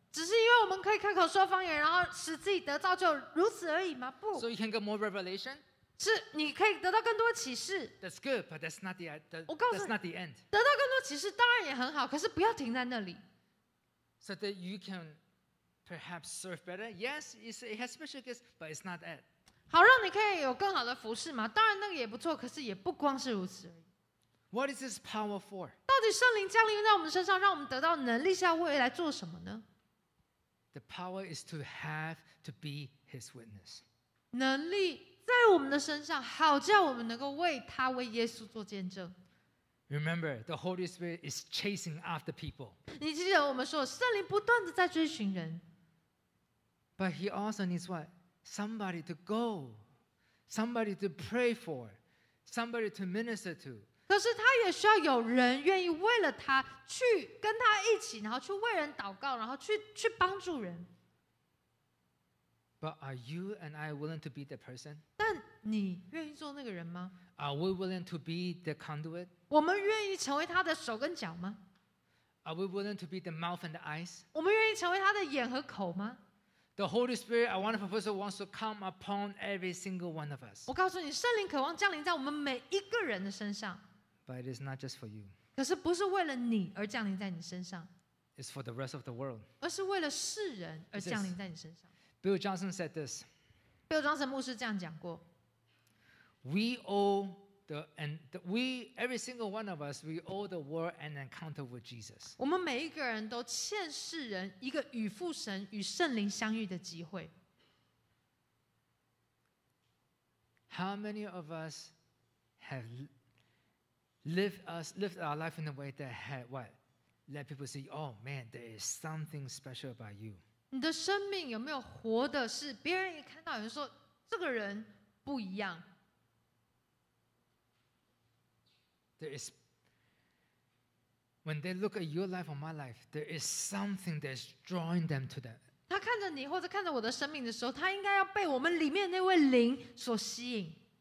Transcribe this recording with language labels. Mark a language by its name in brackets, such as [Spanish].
[Chinese] 只是因为我们可以开口说方言，然后使自己得造就，如此而已吗？不。 [English] So you can get more revelation. [Chinese] 是你可以得到更多启示。 [English] That's good, but that's not the. [Chinese] 我告诉你 [English] ，That's not the end. [Chinese] 得到更多启示当然也很好，可是不要停在那里。 [English] So that you can. Perhaps serve better. Yes, it has special gifts, but it's not that. [Chinese] 好，让你可以有更好的服侍嘛。当然那个也不错，可是也不光是如此而已。 [English] What is this power for? [Chinese] 到底圣灵降临在我们身上，让我们得到能力，是要为来做什么呢？ [English] The power is to have to be His witness. [Chinese] 能力在我们的身上，好叫我们能够为他、为耶稣做见证。 [English] Remember, the Holy Spirit is chasing after people. [Chinese] 你记得我们说，圣灵不断的在追寻人。 [English] But he also needs what? Somebody to go, somebody to pray for, somebody to minister to. [Chinese] 可是他也需要有人愿意为了他去跟他一起，然后去为人祷告，然后去帮助人。 [English] But are you and I willing to be that person? [Chinese] 但你愿意做那个人吗？ [English] Are we willing to be the conduit? [Chinese] 我们愿意成为他的手跟脚吗？ [English] Are we willing to be the mouth and the eyes? [Chinese] 我们愿意成为他的眼和口吗？ [English] The Holy Spirit, our wonderful person, wants to come upon every single one of us. [Chinese] 我告诉你，圣灵渴望降临在我们每一个人的身上。 [English] But it is not just for you. [Chinese] 可是不是为了你而降临在你身上。 [English] It's for the rest of the world. [Chinese] 而是为了世人而降临在你身上。 [English] Bill Johnson said this. [Chinese] Bill Johnson 牧师这样讲过。 [English] We owe every single one of us, we owe the world an encounter with Jesus. [Chinese] 我们每一个人都欠世人一个与父神与圣灵相遇的机会。 [English] How many of us have lived our life in a way that had what? Let people see, oh man, there is something special about you. [Chinese] 你的生命有没有活的是别人一看到人说这个人不一样？ [English] There is when they look at your life or my life, there is something that's drawing them to that. [Chinese] 他看着你或者看着我的生命的时候，他应该要被我们里面那位灵所吸引。